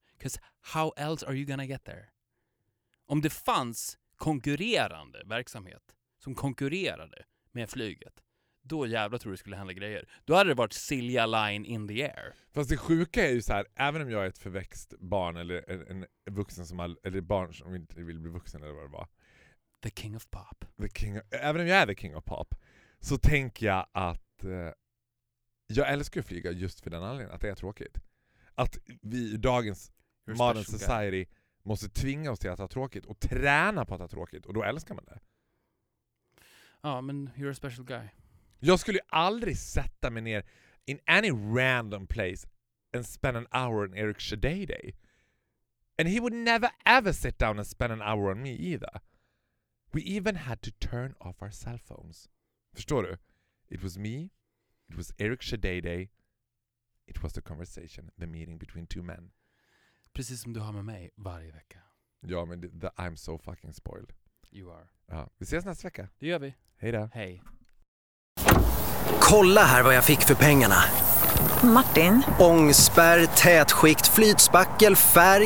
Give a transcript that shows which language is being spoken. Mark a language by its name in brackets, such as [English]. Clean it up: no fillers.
[English] Because how else are you gonna get there? [Swedish] Om det fanns konkurrerande verksamhet som konkurrerade med flyget, då jävla tror du skulle hända grejer. Då hade det varit Silja Line [English] in the air. [Swedish] Fast det sjuka är ju så här, även om jag är ett förväxt barn eller en vuxen som eller barn som inte vill bli vuxen eller vad det var. [English] The king of pop. [Swedish] Även om jag är [English] the king of pop, [Swedish] så tänker jag att jag älskar att flyga just för den anledningen att det är tråkigt. Att vi i dagens [English] modern society [Swedish] måste tvinga oss till att ha tråkigt och träna på att ha tråkigt, och då älskar man det. [English] Ja, men you're a special guy. [Swedish] Jag skulle ju aldrig sätta mig ner [English] in any random place and spend an hour on Erik Shadayday. And he would never ever sit down and spend an hour on me either. We even had to turn off our cell phones. [Swedish] Förstår du? [English] It was me. It was Eric Shadeday. It was the conversation, the meeting between two men. [Swedish] Precis som du har med mig varje vecka. Ja, men I'm so fucking spoiled. You are. Ja, vi ses nästa vecka. Det gör vi. Hej då. Hej. Kolla här vad jag fick för pengarna. Martin. Ångspärr, tätskikt, flytspackel, färg.